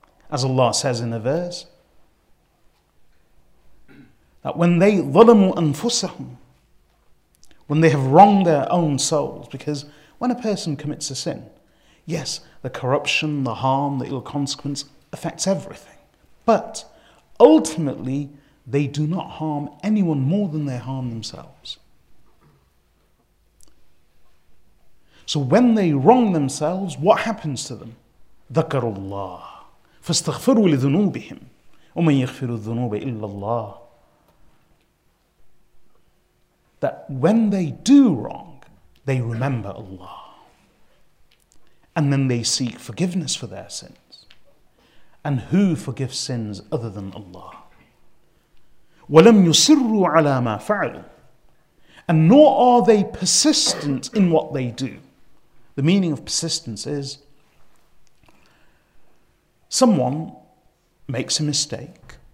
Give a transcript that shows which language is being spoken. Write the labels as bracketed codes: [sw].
[en] As Allah says in a verse, that when they [ar] ظلموا أنفسهم, [en] when they have wronged their own souls, because when a person commits a sin, yes, the corruption, the harm, the ill consequence affects everything. But ultimately, they do not harm anyone more than they harm themselves. So when they wrong themselves, what happens to them? [ar] ذَكَرُ اللَّهِ فَاسْتَغْفِرُوا لِذُنُوبِهِمْ وَمَنْ يَغْفِرُ الذُّنُوبَ إِلَّا اللَّهِ [en] That when they do wrong, they remember Allah. And then they seek forgiveness for their sins. And who forgives sins other than Allah? [ar] وَلَمْ يُسِرُّوا عَلَى مَا فَعَلُوا [en] And nor are they persistent in what they do. The meaning of persistence is, someone makes a mistake.